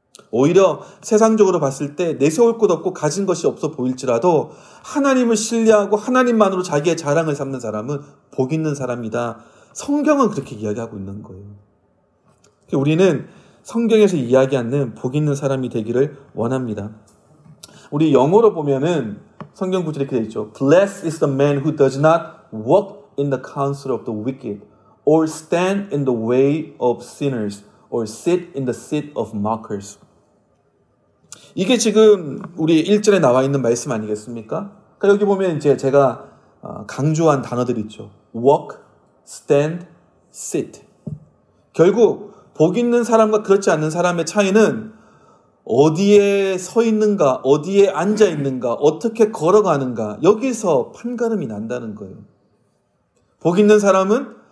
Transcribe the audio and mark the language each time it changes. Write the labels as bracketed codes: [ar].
[ko] 오히려 세상적으로 봤을 때 내세울 것 없고 가진 것이 없어 보일지라도 하나님을 신뢰하고 하나님만으로 자기의 자랑을 삼는 사람은 복 있는 사람이다. 성경은 그렇게 이야기하고 있는 거예요. 우리는 성경에서 이야기하는 복 있는 사람이 되기를 원합니다. 우리 영어로 보면은 성경 구절이 이렇게 되어 있죠. [en] Blessed is the man who does not walk in the counsel of the wicked or stand in the way of sinners or sit in the seat of mockers. [ko] 이게 지금 우리 1절에 나와 있는 말씀 아니겠습니까? 그러니까 여기 보면 이제 제가 강조한 단어들 있죠. [en] walk, stand, sit. [ko] 결국 복 있는 사람과 그렇지 않는 사람의 차이는 어디에 서 있는가, 어디에 앉아 있는가, 어떻게 걸어가는가, 여기서 판가름이 난다는 거예요. 복 있는 사람은